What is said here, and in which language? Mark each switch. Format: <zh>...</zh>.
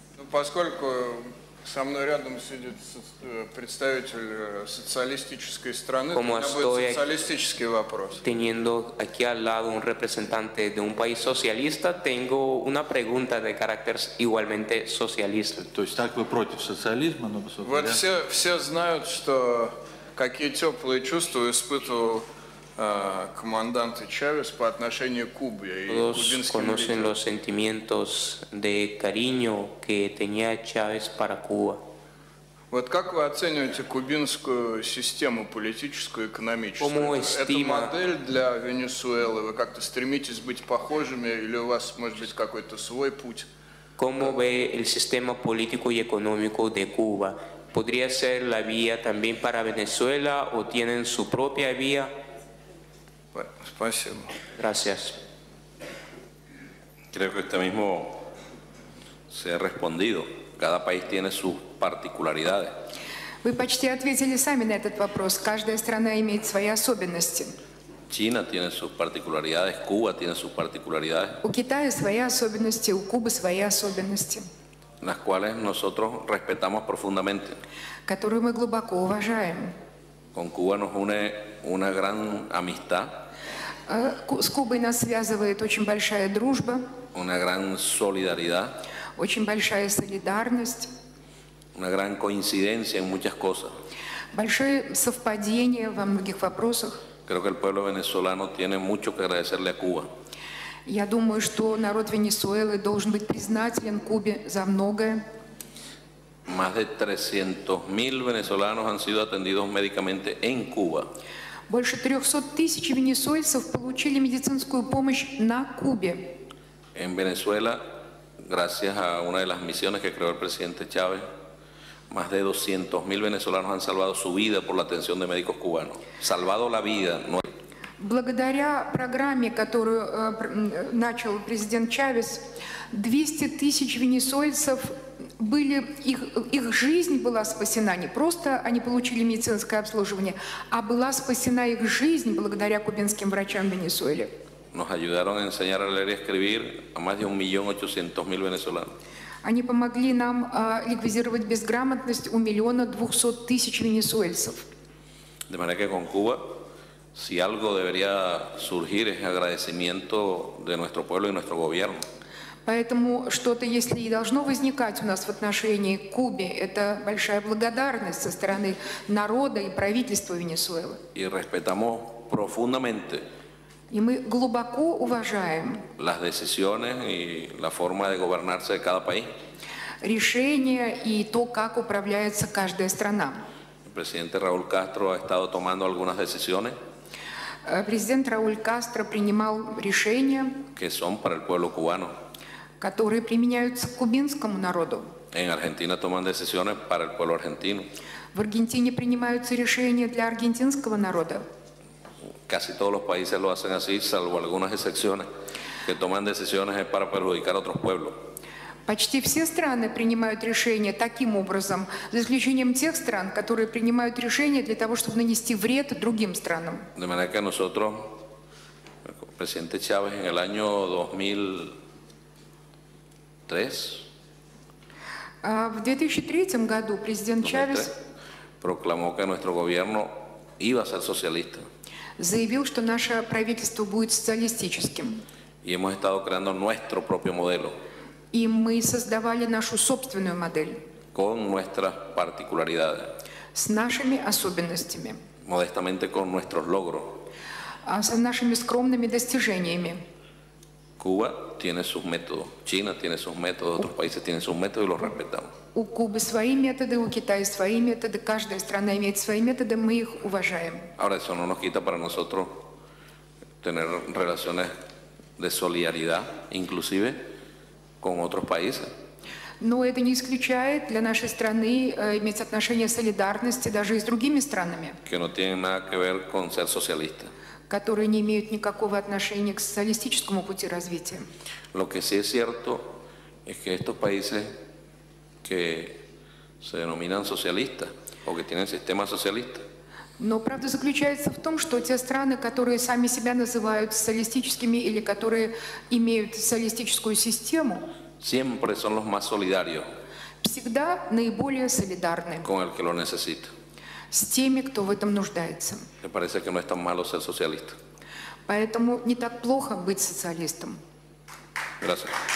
<ru>Поскольку со мной рядом сидит представитель социалистической страны, у меня будет социалистический вопрос.</ru> <es>Teniendo aquí al lado un representante de un país socialista, tengo una pregunta de carácter igualmente socialista.</es> <ru>То есть так вы против социализма, но собственно. Вот все знают, что какие теплые чувства испытывал Comandante Chávez по отношению к Кубе и кубинским лидерам.</ru> <es>Todos conocen los sentimientos de cariño que tenía Chávez para Cuba.</es> <ru>Вот как вы оцениваете кубинскую систему политическую, экономическую? Это модель для Венесуэлы? Вы как-то стремитесь быть похожими или у вас может быть какой-то свой путь?</ru> <es>¿Cómo ve el sistema político y económico de Cuba? ¿Podría ser la vía también para Venezuela o tienen su propia vía?</es> <ru>Спасибо.</ru> <es>Gracias. Creo que este mismo se ha respondido. Cada país tiene sus particularidades.</es> <ru>Вы почти ответили сами на этот вопрос. Каждая страна имеет свои особенности.</ru> <es>China tiene sus particularidades, Cuba tiene sus particularidades.</es> <ru>У Китая свои особенности, у Кубы свои особенности.</ru> <es>Las cuales nosotros respetamos profundamente.</es> <ru>Которые мы глубоко уважаем.</ru> <es>Con Cuba nos une una gran amistad.</es> <ru>С Кубой нас связывает очень большая дружба,</ru> <es>una gran solidaridad,</es> <ru>очень большая солидарность,</ru> <es>una gran coincidencia en muchas cosas.</es> <ru>Большое совпадение во многих вопросах.</ru> <es>Creo que el pueblo venezolano tiene mucho que agradecerle a Cuba.</es> <ru>Я думаю, что народ Венесуэлы должен быть признателен Кубе за многое.</ru> <es>Más de 300.000 venezolanos han sido atendidos médicamente en Cuba.</es> <ru>Больше 300 000 венесуэльцев получили медицинскую помощь на Кубе.</ru> <es>En Venezuela, gracias a una de las misiones que creó el presidente Chávez, más de 200 000 venezolanos han salvado su vida por la atención de médicos cubanos. Salvado la vida. No...</es> <ru>Благодаря программе, которую начал президент Чавес, 200 000 венесуэльцев были, их жизнь была спасена, не просто они получили медицинское обслуживание, а была спасена их жизнь благодаря кубинским врачам в Венесуэле.</ru> <es>Nos ayudaron a enseñar a leer y escribir a más de 1.800.000 venezolanos.</es> <ru>Они помогли нам ликвидировать безграмотность у 1.200.000 венесуэльцев.</ru> <es>De manera que con Cuba, si algo debería surgir es agradecimiento de nuestro pueblo y nuestro gobierno.</es> <ru>Поэтому что-то, если и должно возникать у нас в отношении к Кубе, это большая благодарность со стороны народа и правительства Венесуэлы.</ru> <es>Y respetamos profundamente.</es> <ru>И мы глубоко уважаем</ru> <es>las decisiones y la forma de gobernarse de cada país.</es> <ru>Решения и то, как управляется каждая страна.</ru> <es>El presidente Raúl Castro ha estado tomando algunas decisiones.</es> <ru>Президент Рауль Кастро принимал решения,</ru> <es>que son para el pueblo cubano.</es> <ru>Которые применяются к кубинскому народу.</ru> <es>En Argentina toman decisiones para el pueblo argentino.</es> <ru>В Аргентине принимаются решения для аргентинского народа.</ru> <es>Casi todos los países lo hacen así, salvo algunas excepciones, que toman decisiones para perjudicar a otros pueblos.</es> <ru>Почти все страны принимают решения таким образом, за исключением тех стран, которые принимают решения для того, чтобы нанести вред другим странам.</ru> <es>De manera que nosotros, presidente Chávez, en el año 2003.</es> <ru>В 2003 году президент Чавес</ru> <es>proclamó que nuestro gobierno iba a ser socialista.</es> <ru>Заявил, что наше правительство будет социалистическим.</ru> <es>Y hemos estado creando nuestro propio modelo.</es> <ru>И мы создавали нашу собственную модель.</ru> <es>Con nuestras particularidades.</es> <ru>С нашими особенностями.</ru> <es>Modestamente con nuestros logros.</es> <ru>А с нашими скромными достижениями.</ru> <es>Куба tiene sus métodos, China tiene sus métodos, otros países tienen sus métodos y los respetamos.</es> <ru>У Кубы свои методы, у Китая свои методы, каждая страна имеет свои методы, мы их уважаем.</ru> <es>Ahora eso no nos quita para nosotros tener relaciones de solidaridad, inclusive con otros países.</es> <ru>Но это не исключает для нашей страны иметь отношения солидарности даже и с другими странами.</ru> <es>Que no tienen nada que ver con ser socialista.</es> <ru>Которые не имеют никакого отношения к социалистическому пути развития.</ru> <es>Lo que sí es cierto es que estos países que se denominan socialistas o que tienen sistema socialista.</es> <ru>Но правда заключается в том, что те страны, которые сами себя называют социалистическими или которые имеют социалистическую систему,</ru> <es>siempre son los más solidarios.</es> <ru>Всегда наиболее солидарны.</ru> <es>Con el que lo necesita.</es> <ru>С теми, кто в этом нуждается.</ru> <es>Me parece que no es tan malo ser socialista.</es> <ru>Поэтому не так плохо быть социалистом.</ru> <es>Gracias.</es>